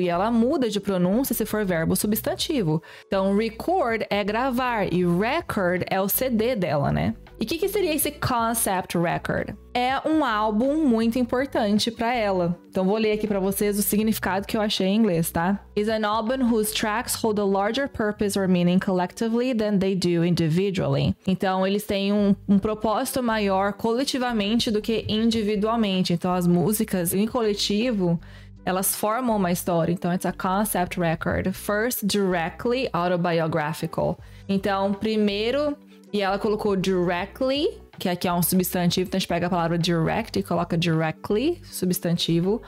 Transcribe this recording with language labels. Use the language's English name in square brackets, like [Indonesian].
[Portuguese] E ela muda de pronúncia se for verbo substantivo. Então, record é gravar e record é o CD dela, né? E o que seria esse concept record? É um álbum muito importante pra ela. Então vou ler aqui pra vocês o significado que eu achei em inglês, tá? [English] Is an album whose tracks hold a larger purpose or meaning collectively than they do individually. [Portuguese] Então eles têm um propósito maior coletivamente do que individualmente. Então as músicas em coletivo, elas formam uma história. Então [English] it's a concept record. First, directly autobiographical. [Portuguese] Então primeiro... E ela colocou directly, que aqui é um substantivo, então a gente pega a palavra direct e coloca directly, substantivo.